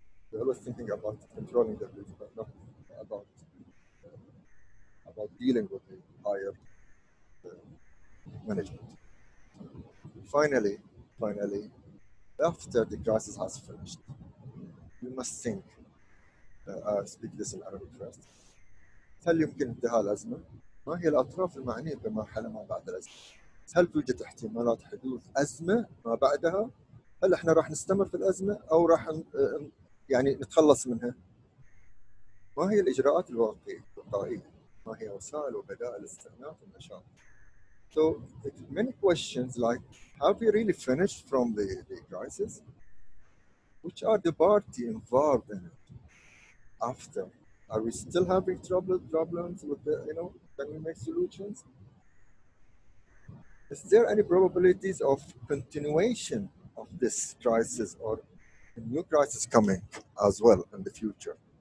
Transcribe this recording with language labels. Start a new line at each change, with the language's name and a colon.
English: We're always thinking about controlling the risk, but not about about dealing with the higher management. Finally, after the crisis has finished, you must think, speak this in Arabic first.
Arabic: هل يمكن انتهاء الأزمة؟ ما هي الأطراف المعنية بمرحلة ما بعد الأزمة؟ هل توجد احتمالات حدوث أزمة ما بعدها؟ هل احنا راح نستمر في الأزمة أو راح يعني نتخلص منها؟ ما هي الإجراءات الوقائية؟ ما هي وسائل وبدائل استئناف النشاط؟
English: So many questions like, have we really finished from the crisis? Which are the party involved in it after? Are we still having problems with the, you know, can we make solutions? Is there any probabilities of continuation of this crisis or a new crisis coming as well in the future?